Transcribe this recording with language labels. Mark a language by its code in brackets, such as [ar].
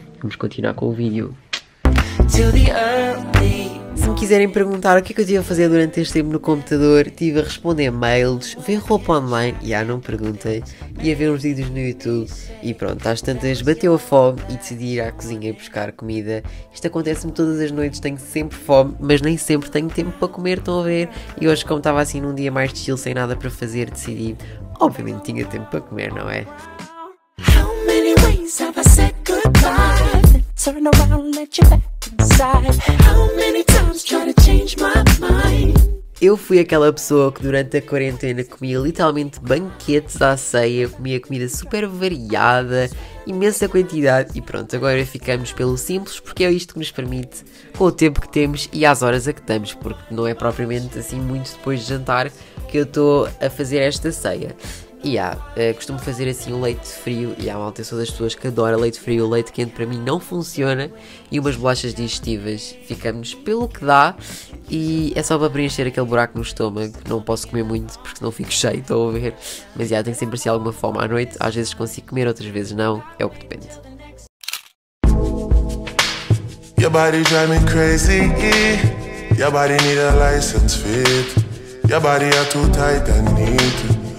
[pt] Vamos continuar com o vídeo. Se me quiserem perguntar o que é que eu tive a fazer durante este tempo no computador, estive a responder mails, ver roupa online, já não perguntei, e a ver uns vídeos no YouTube, e pronto, às tantas bateu a fome e decidi ir à cozinha buscar comida. Isto acontece-me todas as noites, tenho sempre fome, mas nem sempre tenho tempo para comer, estão a ver? E hoje, como estava assim num dia mais chill, sem nada para fazer, decidi, obviamente tinha tempo para comer, não é? [en] How many ways have I said goodbye? Turn around, let you back inside. How many times try to change my mind? [pt] Eu fui aquela pessoa que durante a quarentena comia literalmente banquetes à ceia, comia comida super variada, imensa quantidade, e pronto, agora ficamos pelo simples, porque é isto que nos permite com o tempo que temos e às horas a que estamos, porque não é propriamente assim muito depois de jantar que eu estou a fazer esta ceia. E há, costumo fazer assim um leite frio, e há uma alta pessoa das pessoas que adora leite frio, o leite quente para mim não funciona, e umas bolachas digestivas, ficamos pelo que dá, e é só para preencher aquele buraco no estômago, não posso comer muito porque não fico cheio, estou a ver, mas já tenho sempre assim alguma fome à noite, às vezes consigo comer, outras vezes não, é o que depende. [en] Your body drive me crazy, your body need a license fit, your body are too tight and need to...